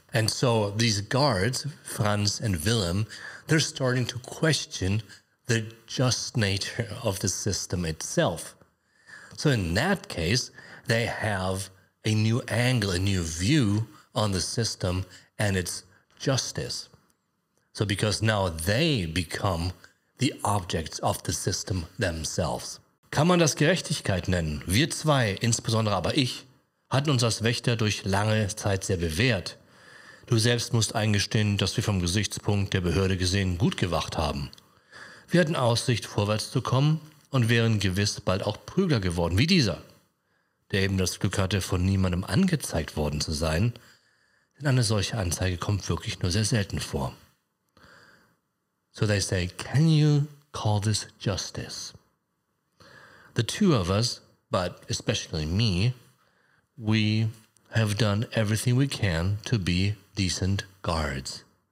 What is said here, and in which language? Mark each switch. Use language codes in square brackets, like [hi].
[en] And so these guards, Franz and Wilhelm, they're starting to question the just nature of the system itself. So in that case, they have a new angle, a new view on the system and its justice. So because now they become the objects of the system themselves. [de] Kann man das Gerechtigkeit nennen? Wir zwei, insbesondere aber ich, hatten uns als Wächter durch lange Zeit sehr bewährt. Du selbst musst eingestehen, dass wir vom Gesichtspunkt der Behörde gesehen gut gewacht haben. Wir hatten Aussicht, vorwärts zu kommen und wären gewiss bald auch Prügler geworden, wie dieser, der eben das Glück hatte, von niemandem angezeigt worden zu sein, denn eine solche Anzeige kommt wirklich nur sehr selten vor. [en] So they say, can you call this justice? The two of us, but especially me, we have done everything we can to be decent guards.